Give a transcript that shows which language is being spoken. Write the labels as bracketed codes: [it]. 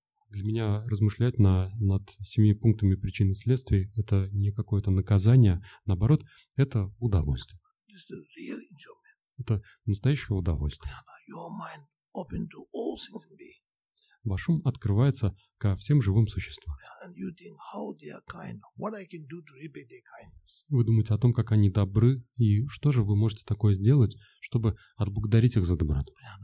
[ru] Для меня размышлять над семи пунктами причин и следствий это не какое-то наказание, наоборот, это удовольствие. [en] This is real enjoyment. [ru] Это настоящее удовольствие. [en] Your mind open to all things and beings. [ru] Ваш ум открывается ко всем живым существам. Вы думаете о том, как они добры, и что же вы можете такое сделать, чтобы отблагодарить их за доброту.